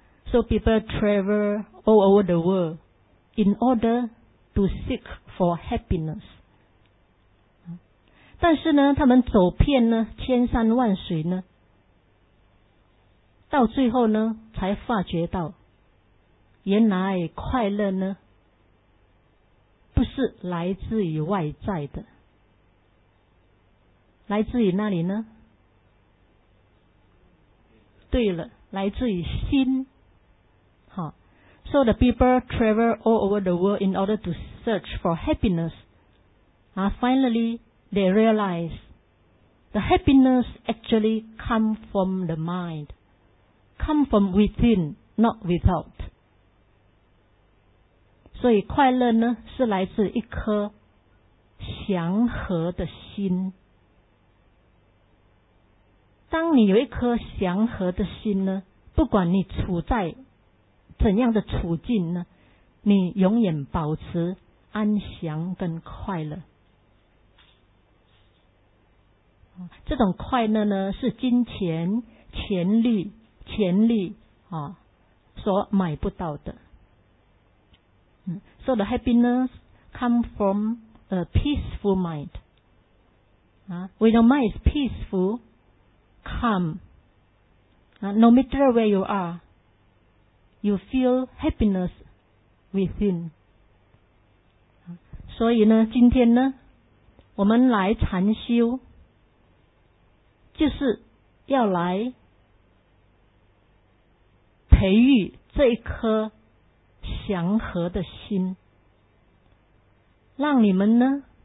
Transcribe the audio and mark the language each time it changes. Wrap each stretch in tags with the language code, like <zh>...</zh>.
<en>So people travel all over the world in order to seek for happiness.</en> <zh>但是呢，他们走遍呢千山万水呢，到最后呢才发觉到，原来快乐呢不是来自于外在的。来自于哪里呢？对了，来自于心。好，</zh> <en>So the people travel all over the world in order to search for happiness. Finally, they realize the happiness actually come from the mind. Come from within, not without.</en> <zh>所以快乐呢，是来自一颗祥和的心。当你有一颗祥和的心呢，不管你处在怎样的处境呢，你永远保持安详跟快乐。这种快乐呢，是金钱、权力所买不到的。</zh> <en>So the happiness come from a peaceful mind. When your mind is peaceful, calm, no matter where you are, you feel happiness within.</en> <zh>所以呢，今天呢，我们来禅修，就是要来培育这一颗祥和的心，让你们呢</zh>